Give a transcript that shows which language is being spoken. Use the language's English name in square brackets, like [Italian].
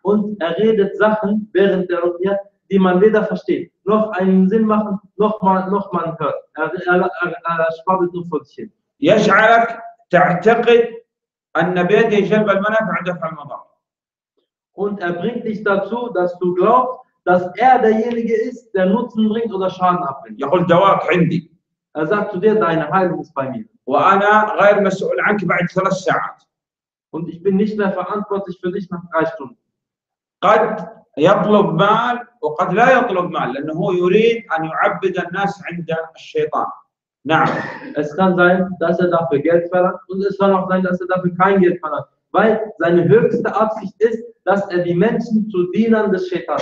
[German] Und redet Sachen während der Ruqya, die man weder versteht, noch einen Sinn machen, noch man hört. Schwabbelt nur vor sich hin. [Arabic] يجعلك تعتقد أن بيده جلب المنافع دفع المضار. [German] Und bringt dich dazu, dass du glaubst, dass derjenige ist, der Nutzen bringt oder Schaden abbringt. [Arabic] يقول دواك عندي. [German] Sagt zu dir, deine Heilung ist bei mir. [Arabic] وأنا غير مسؤول عنك بعد ثلاث ساعات. [German] Und ich bin nicht mehr verantwortlich für dich nach drei Stunden. [Arabic] قد يطلب مال وقد لا يطلب مال لأنه هو يريد أن يعبد الناس عند الشيطان. نعم. [German] Es kann sein, dass dafür Geld verlangt und es kann auch sein, dass dafür kein Geld verlangt. Weil seine höchste Absicht ist, dass die Menschen zu Dienern des Shaitan